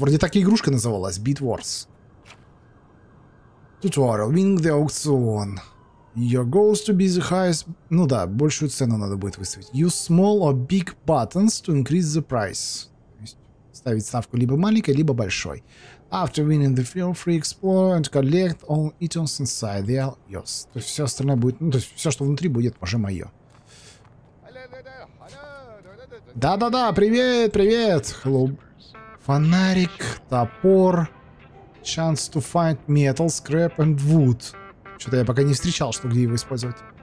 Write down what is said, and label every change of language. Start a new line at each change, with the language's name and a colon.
Russian: Вроде так и игрушка называлась.
English: Beat Wars. Tutorial. Winning the auction. Your goal is to be the highest...
Russian: Ну да, большую цену надо будет выставить.
English: Use small or big buttons to increase the price.
Russian: Ставить ставку либо маленькой, либо большой.
English: After winning the feel free explore and collect all items inside, they are yours.
Russian: То есть все остальное будет, ну то есть все, что внутри будет, уже мое. Да-да-да, привет, привет! Hello. Фонарик, топор.
English: Chance to find metal, scrap and wood.
Russian: Что-то я пока не встречал, что где его использовать.